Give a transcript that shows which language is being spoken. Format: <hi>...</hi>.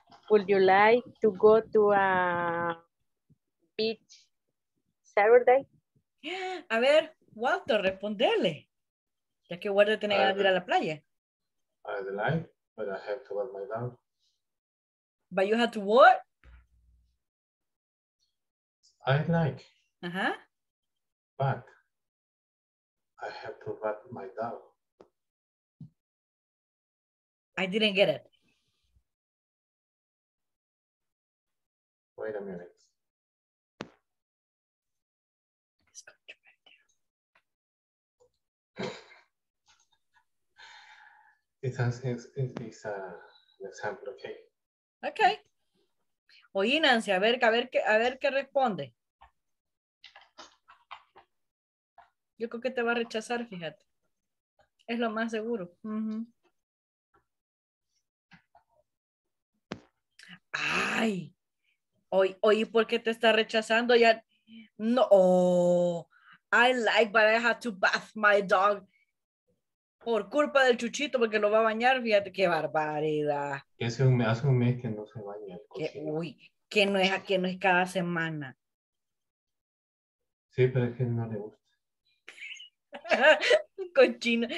<en>Would you like to go to a beach Saturday?</en> <es>A ver, Walter, respondele. Ya que Walter tiene ganas de ir a la playa.</es> <en>I'd like, but I have to wear my dog. But you have to what? I'd like. Uh-huh. But I have to write my dog. I didn't get it. Wait a minute. It's an example, okay? Okay.</en> <es>Oye, Nancy, a ver qué responde. Yo creo que te va a rechazar, fíjate. Es lo más seguro. Uh-huh. Ay. Oye, ¿por qué te está rechazando? Ya no.</es> <en>Oh, I like, but I have to bath my dog.</en> <es>Por culpa del Chuchito, porque lo va a bañar, fíjate qué barbaridad. Hace un mes que no se baña el cochino. Que no es cada semana. Sí, pero es que no le gusta. Cochino.</es>